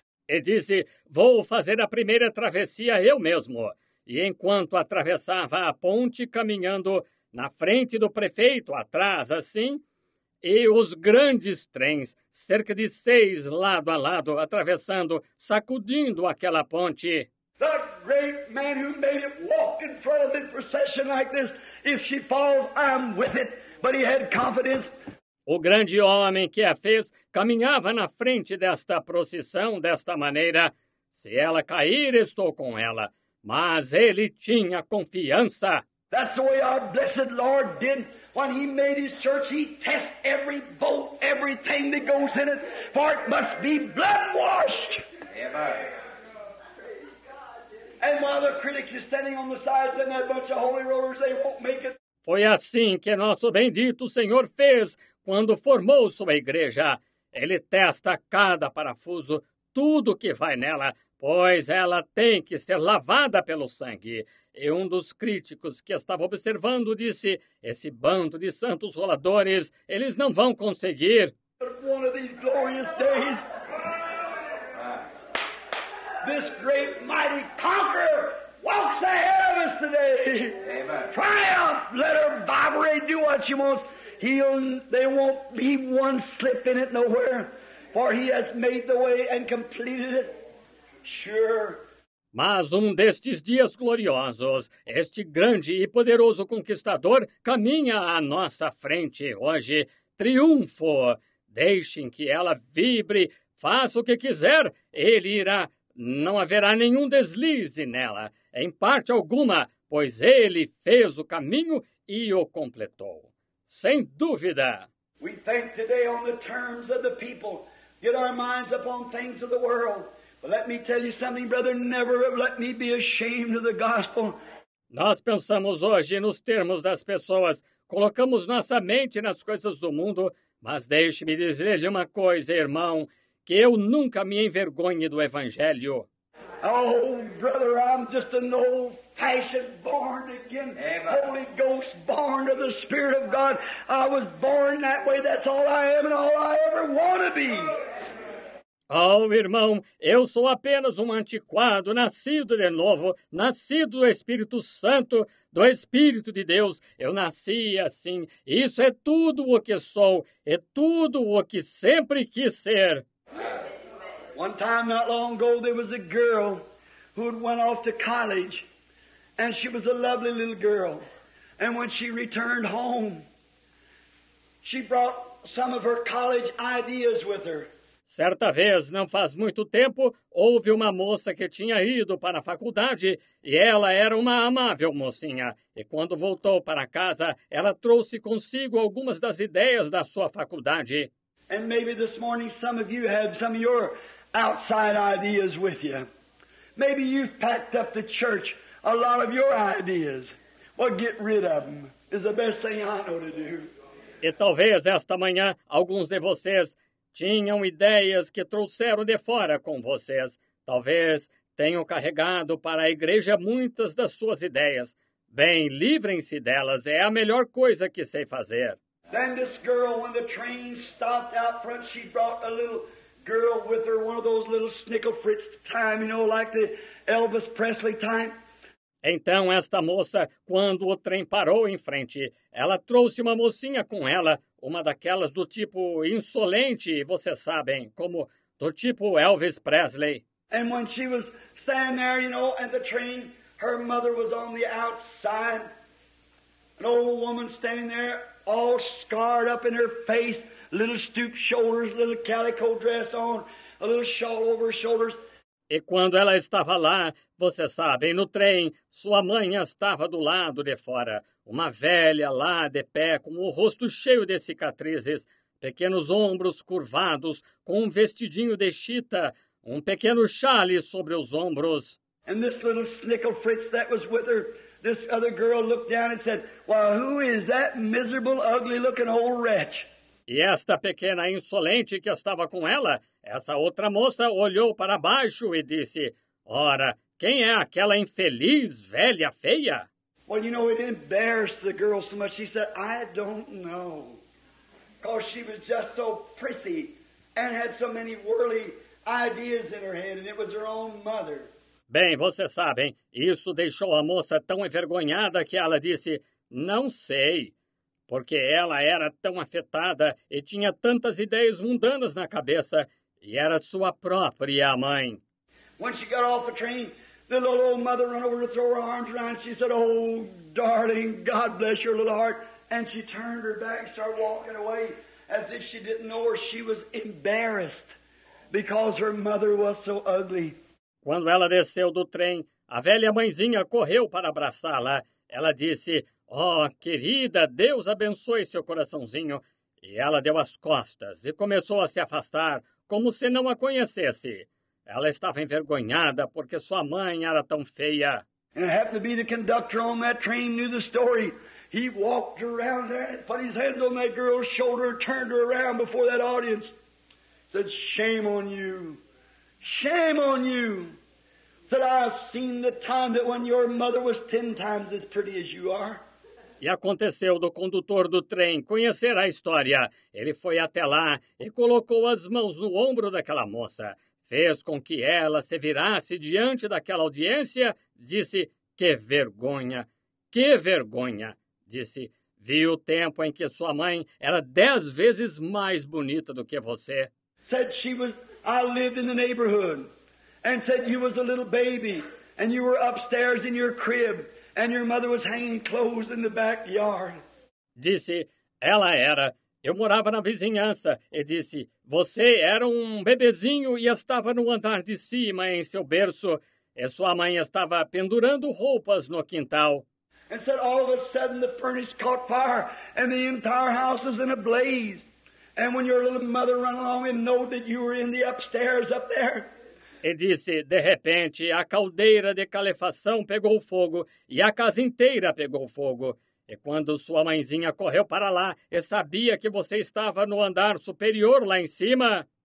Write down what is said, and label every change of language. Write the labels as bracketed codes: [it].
[pt] E disse, vou fazer a primeira travessia eu mesmo. E enquanto atravessava a ponte, caminhando na frente do prefeito, atrás, assim, e os grandes trens, cerca de seis lado a lado, atravessando, sacudindo aquela ponte. [en] The great man who made it walk in front of the procession like this, if she falls, I'm with it. But he had confidence. [pt] O grande homem que a fez caminhava na frente desta procissão desta maneira. Se ela cair, estou com ela. Mas ele tinha confiança. [en] That's the way our blessed Lord did when he made his church. He tests every bolt, everything that goes in it, for it must be blood washed. And while the critics are standing on the sides and that bunch of holy rollers, they won't make it. [pt] Foi assim que nosso bendito Senhor fez quando formou sua igreja. Ele testa cada parafuso, tudo que vai nela, pois ela tem que ser lavada pelo sangue. E um dos críticos que estava observando disse, esse bando de santos roladores, eles não vão conseguir. [en] One of these glorious days, this great mighty conqueror walks ahead of us today. Amen. Triumph, let her vibrate, do what she wants. There won't be one slip in it nowhere, for he has made the way and completed it. Sure. [pt] Mas um destes dias gloriosos, este grande e poderoso conquistador caminha à nossa frente hoje. Triunfo! Deixem que ela vibre, faça o que quiser, ele irá. Não haverá nenhum deslize nela, em parte alguma, pois ele fez o caminho e o completou. Sem dúvida. [en] We think today on the terms of the people, get our minds upon things of the world. But let me tell you something, brother, never let me be ashamed of the gospel. [pt] Nós pensamos hoje nos termos das pessoas, colocamos nossa mente nas coisas do mundo, mas deixe-me dizer-lhe uma coisa, irmão, que eu nunca me envergonhe do evangelho. [en] Oh, brother, I'm just an old fashioned born again. Amen. Holy Ghost born of the Spirit of God. I was born that way. That's all I am and all I ever want to be. [pt] Oh, irmão, eu sou apenas um antiquado, nascido de novo, nascido do Espírito Santo, do Espírito de Deus. Eu nasci assim. Isso é tudo o que sou, é tudo o que sempre quis ser. [en] One time not long ago, there was a girl who had went off to college, and she was a lovely little girl. And when she returned home, she brought some of her college ideas with her. [pt] Certa vez, não faz muito tempo, houve uma moça que tinha ido para a faculdade e ela era uma amável mocinha. E quando voltou para casa, ela trouxe consigo algumas das ideias da sua faculdade. [en] And maybe this morning some of you had some of your outside ideas with you. Maybe you've packed up the church a lot of your ideas. Well, get rid of them is the best thing I know to do. [pt] E talvez esta manhã alguns de vocês tinham ideias que trouxeram de fora com vocês. Talvez tenham carregado para a igreja muitas das suas ideias. Bem, livrem-se delas. É a melhor coisa que sei fazer. [en] Then this girl, when the train stopped out front, she brought a little girl with her, one of those little snickle-fritz time, you know, like the Elvis Presley time. [pt] Então, esta moça, quando o trem parou em frente, ela trouxe uma mocinha com ela, uma daquelas do tipo insolente, vocês sabem, como do tipo Elvis Presley. [en] And when she was standing there, you know, at the train, her mother was on the outside. An old woman standing there, all scarred up in her face, little stooped shoulders, little calico dress on, a little shawl over her shoulders. [pt] E quando ela estava lá, vocês sabem, no trem, sua mãe estava do lado de fora. Uma velha lá, de pé, com o rosto cheio de cicatrizes, pequenos ombros curvados, com um vestidinho de chita, um pequeno xale sobre os ombros. [en] And this little snickle fritz that was with her, this other girl looked down and said, "Well, who is that miserable, ugly-looking old wretch?" [pt] E esta pequena insolente que estava com ela, essa outra moça olhou para baixo e disse, "Ora, quem é aquela infeliz velha feia?" [en] Well, you know, it embarrassed the girl so much. She said, "I don't know." Because she was just so prissy and had so many worldly ideas in her head, and it was her own mother. [pt] Bem, vocês sabem, isso deixou a moça tão envergonhada que ela disse, "Não sei." Porque ela era tão afetada e tinha tantas ideias mundanas na cabeça, e era sua própria mãe. [en] When she got off the train, the little old mother ran over to throw her arms around. She said, "Oh, darling, God bless your little heart." And she turned her back and started walking away as if she didn't know her. She was embarrassed because her mother was so ugly. [pt] Quando ela desceu do trem, a velha mãezinha correu para abraçá-la. Ela disse, "Oh, querida, Deus abençoe seu coraçãozinho." E ela deu as costas e começou a se afastar, como se não a conhecesse. Ela estava envergonhada porque sua mãe era tão feia. [en] And it happened to be the conductor on that train knew the story. He walked around there, put his hands on that girl's shoulder, turned her around before that audience. Said, "Shame on you. Shame on you." Said, "I've seen the time that when your mother was 10 times as pretty as you are." [pt] E aconteceu do condutor do trem conhecer a história. Ele foi até lá e colocou as mãos no ombro daquela moça. Fez com que ela se virasse diante daquela audiência. Disse, "Que vergonha, que vergonha." Disse, "Vi o tempo em que sua mãe era 10 vezes mais bonita do que você." [en] Said she was, "I lived in the neighborhood." And said, "You was a little baby. And you were upstairs in your crib. And your mother was hanging clothes in the backyard." [pt] Disse, "Ela era. Eu morava na vizinhança." E disse, "Você era um bebezinho e estava no andar de cima em seu berço. E sua mãe estava pendurando roupas no quintal." [en] And said, "All of a sudden the furnace caught fire and the entire house was in a blaze. And when your little mother ran along and knowed that you were in the upstairs up there." [pt] E disse, "De repente, a caldeira de calefação pegou fogo e a casa inteira pegou fogo. E quando sua mãezinha correu para lá e sabia que você estava no andar superior lá em cima..."